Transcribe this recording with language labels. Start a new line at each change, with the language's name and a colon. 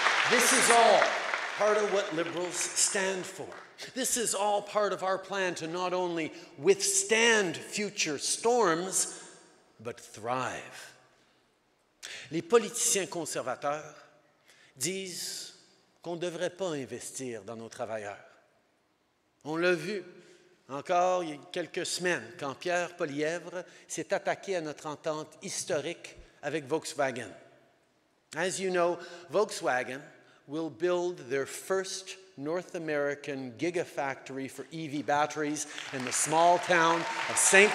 English: This is all part of what Liberals stand for. This is all part of our plan to not only withstand future storms, but thrive.
French: Les politiciens conservateurs disent qu'on ne devrait pas investir dans nos travailleurs. On l'a vu encore il y a quelques semaines quand Pierre Poilievre s'est attaqué à notre entente historique avec Volkswagen.
English: As you know, Volkswagen will build their first North American gigafactory for EV batteries in the small town of St.